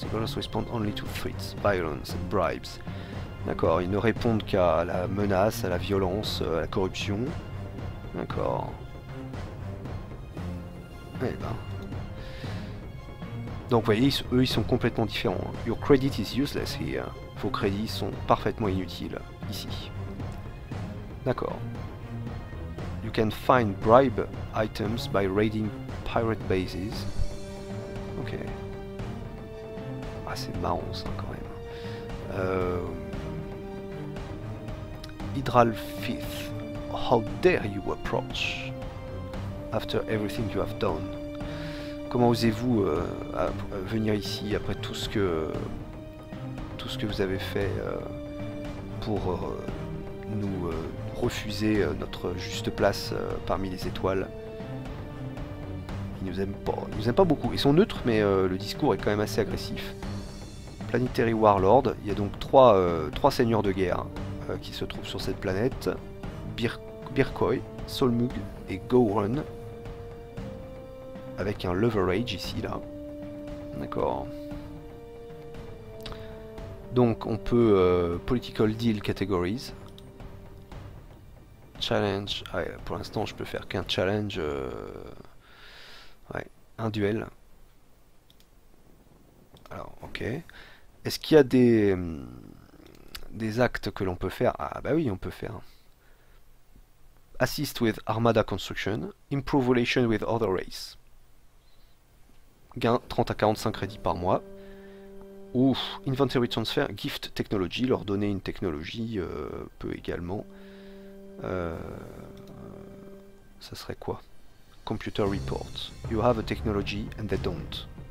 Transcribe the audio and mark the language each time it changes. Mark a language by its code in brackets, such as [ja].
[en] The Burlust respond only to threats, violence and bribes. [fr] D'accord, ils ne répondent qu'à la menace, à la violence, à la corruption. D'accord. Eh ben. Donc vous voyez, eux ils sont complètement différents. [en] Your credit is useless here. [fr] Vos crédits sont parfaitement inutiles ici. D'accord. [en] You can find bribe items by raiding pirate bases. Ok. [fr] Ah, c'est marrant ça quand même. [en] Hydral Fifth. How dare you approach after everything you have done? [fr] Comment osez-vous venir ici après tout ce que vous avez fait pour nous refuser notre juste place parmi les étoiles. Ils nous aiment pas beaucoup. Ils sont neutres, mais le discours est quand même assez agressif. Planetary Warlord. Il y a donc trois seigneurs de guerre qui se trouvent sur cette planète. Birkoi, Solmug et Gowron. Avec un leverage ici, là. D'accord. Donc, on peut... Political Deal Categories. Challenge, ouais, pour l'instant je peux faire qu'un challenge, ouais, un duel. Alors, ok. Est-ce qu'il y a des actes que l'on peut faire? Ah bah oui, on peut faire. [en] Assist with Armada Construction, improve relation with other race. [fr] Gain 30 à 45 crédits par mois. Ou inventory transfer, gift technology, leur donner une technologie peut également. Ça serait quoi? [en] Computer report. You have a technology and they don't.